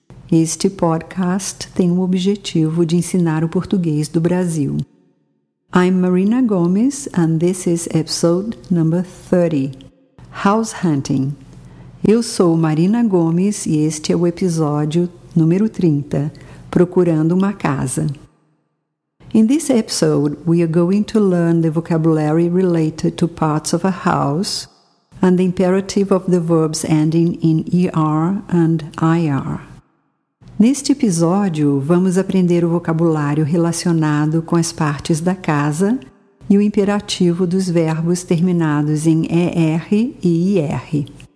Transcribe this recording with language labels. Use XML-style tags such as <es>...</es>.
<pt>Este podcast tem o objetivo de ensinar o português do Brasil.</pt> <en>I'm Marina Gomes, and this is episode number 30, House Hunting.</en> <pt>Eu sou Marina Gomes e este é o episódio número 30, Procurando uma Casa.</pt> <en>In this episode, we are going to learn the vocabulary related to parts of a house and the imperative of the verbs ending in ER and IR.</en> <pt>Neste episódio, vamos aprender o vocabulário relacionado com as partes da casa e o imperativo dos verbos terminados em ER e IR.</pt>